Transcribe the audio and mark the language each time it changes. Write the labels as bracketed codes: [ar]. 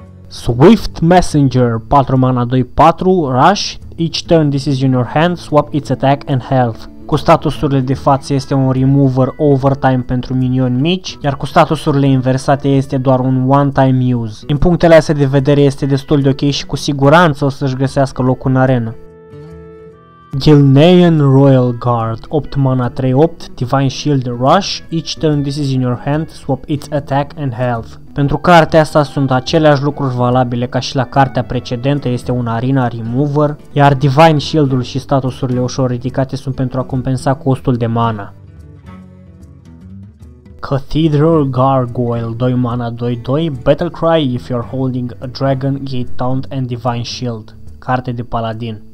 [en] Swift Messenger, 4 mana 2-4, rush, each turn this is in your hand, swap its attack and health. [ro] Cu statusurile de față este un remover overtime pentru minioni mici, iar cu statusurile inversate este doar un one-time use. Din punctele astea de vedere este destul de ok și cu siguranță o să-și găsească loc în arenă. [en] Gilnean Royal Guard, 8 mana 3-8, Divine Shield Rush, each turn this is in your hand, swap its attack and health. [ro] Pentru cartea asta sunt aceleași lucruri valabile ca și la cartea precedentă, este un Arena Remover, iar Divine Shield-ul și statusurile ușor ridicate sunt pentru a compensa costul de mana. [en] Cathedral Gargoyle, 2 mana 2-2, Battlecry if you're holding a dragon, gate taunt and Divine Shield, [ro] carte de paladin.